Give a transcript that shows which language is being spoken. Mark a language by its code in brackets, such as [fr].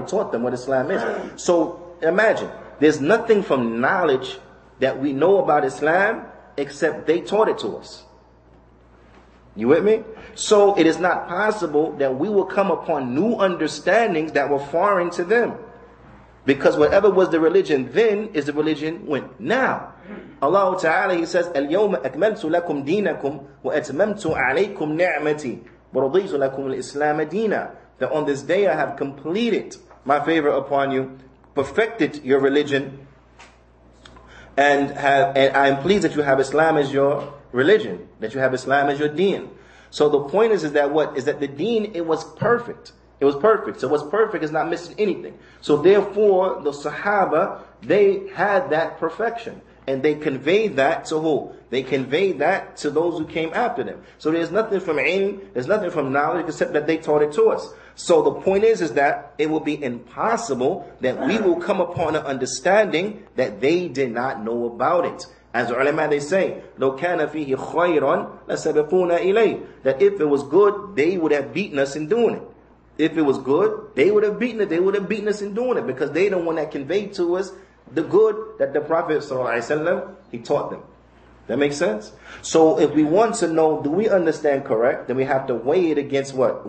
[en] They taught them what Islam is. So imagine, there's nothing from knowledge that we know about Islam except they taught it to us. You with me? So it is not possible that we will come upon new understandings that were foreign to them. Because whatever was the religion then is the religion when now. [ar] Allah Ta'ala, He says, الْيَوْمَ أَكْمَلْتُ لَكُمْ دِينَكُمْ وَأَتْمَمْتُ عَلَيْكُمْ نِعْمَتِي وَرَضِيْتُ لَكُمْ الْإِسْلَامَ دِينَ. [en] That on this day I have completed my favor upon you, perfected your religion, and I am pleased that you have Islam as your religion, that you have Islam as your deen. So the point is that what? Is that the deen, it was perfect. It was perfect. So what's perfect is not missing anything. So therefore, the Sahaba, they had that perfection. And they conveyed that to who? They conveyed that to those who came after them. So there's nothing from ilm, there's nothing from knowledge, except that they taught it to us. So the point is that it will be impossible that we will come upon an understanding that they did not know about it. [ar] As the ulama, they say, لَوْ كَانَ فِيهِ خَيْرًا لَسَبِقُونَ إِلَيْهِ. [en] That if it was good, they would have beaten us in doing it. If it was good, they would have beaten it. They would have beaten us in doing it, because they don't want to convey to us the good that the Prophet ﷺ, he taught them. That makes sense? So if we want to know, do we understand correct, then we have to weigh it against what?